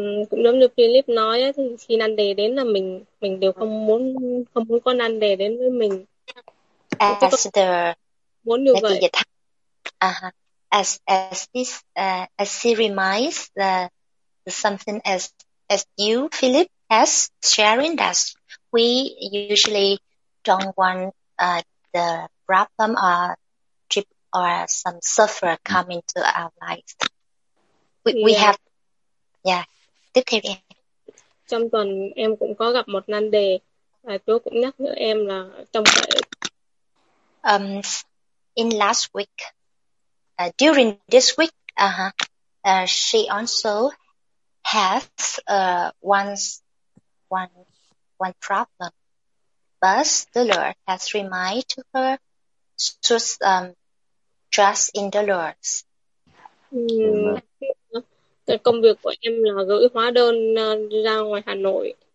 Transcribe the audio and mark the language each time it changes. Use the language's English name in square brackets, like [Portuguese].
[Vietnamese] Cũng giống như Philip nói ấy, thì khi nan đề đến là mình đều không muốn có nan đề đến với mình. [English] Sister [Vietnamese] muốn như vậy. [English] As she reminds the something as you, Philip, as sharing that we usually don't want the problem or trip or some suffer coming to our lives. [Vietnamese] Tiếp theo em. Trong tuần em cũng có gặp một nan đề và Chúa cũng nhắc nhở em là trong phải. [English] In last week, during this week, she also has one problem, but the Lord has reminded her to trust in the Lord. [Vietnamese] Cái công việc của em là gửi hóa đơn ra ngoài Hà Nội.